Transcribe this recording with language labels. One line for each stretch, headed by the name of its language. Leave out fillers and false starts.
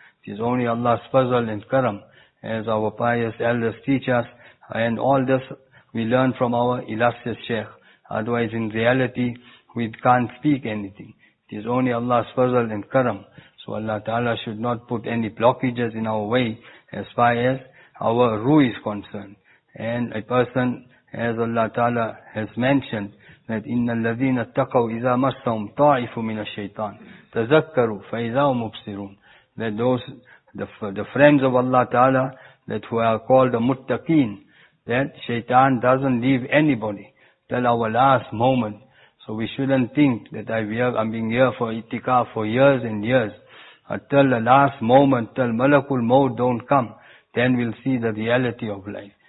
English: It is only Allah's fazl and karam, as our pious elders teach us, and all this we learn from our illustrious Shaykh. Otherwise in reality, we can't speak anything. It is only Allah's fazl and karam. So Allah Ta'ala should not put any blockages in our way as far as our ruh is concerned. And a person, as Allah Ta'ala has mentioned, that
Arabic: إِنَّ الَّذِينَ اتَّقَوْا إِذَا مَسَّهُمْ طَاعِفُ مِنَ الشَّيْطَانِ تَذَكَّرُوا فَإِذَا هُمْ مُبْصِرُونَ.
English: That those, the friends of Allah Ta'ala, that who are called the muttaqeen, that shaitan doesn't leave anybody till our last moment. So we shouldn't think that I'm being here for itikaf for years and years. Until the last moment, till Malakul Maut don't come, then we'll see the reality of life.